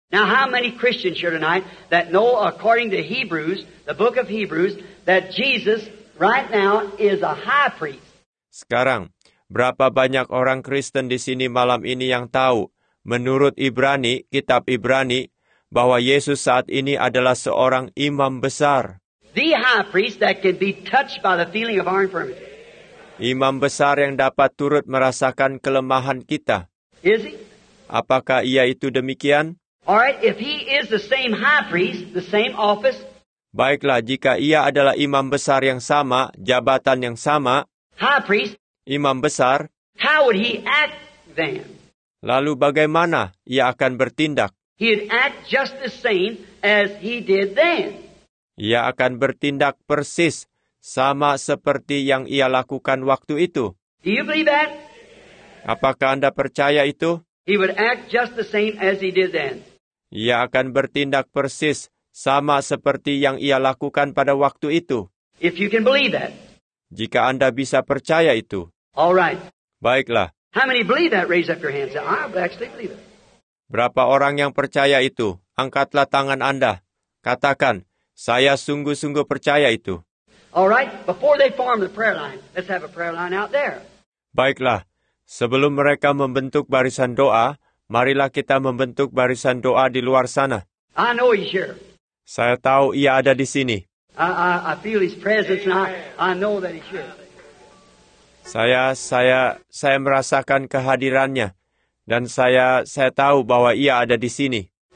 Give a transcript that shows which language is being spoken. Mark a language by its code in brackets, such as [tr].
[en] Now how many Christians here tonight that know according to Hebrews, the book of Hebrews, that Jesus right now is a high priest? [id] Sekarang, berapa banyak orang Kristen di sini malam ini yang tahu, menurut Ibrani, kitab Ibrani, bahwa Yesus saat ini adalah seorang imam besar. [en] The high priest that can be touched by the feeling of our infirmity. [id] Imam besar yang dapat turut merasakan kelemahan kita. [en] Is he? [id] Apakah ia itu demikian? [en] Alright, if he is the same high priest, the same office. [id] Baiklah, jika ia adalah imam besar yang sama, jabatan yang sama. [en] High priest. [id] Imam besar. [en] How would he act then? [id] Lalu bagaimana ia akan bertindak? [en] He'd act just the same as he did then. [id] Ia akan bertindak persis sama seperti yang ia lakukan waktu itu. [en] Do you believe that? [id] Apakah Anda percaya itu? [en] He would act just the same as he did then. [id] Ia akan bertindak persis sama seperti yang ia lakukan pada waktu itu. [en] If you can believe that. [id] Jika Anda bisa percaya itu. [en] All right. [id] Baiklah. [en] How many believe that? Raise up your hands. I actually believe it. [id] Berapa orang yang percaya itu? Angkatlah tangan Anda. Katakan, saya sungguh-sungguh percaya itu. [en] All right. Before they form the prayer line, let's have a prayer line out there. [id] Baiklah. Sebelum mereka membentuk barisan doa, marilah kita membentuk barisan doa di luar sana. [en] I know he's here. [id] Saya tahu ia ada di sini. [en] I feel his presence and I know that he's here. [id] Saya merasakan kehadirannya dan saya tahu bahwa ia ada di sini.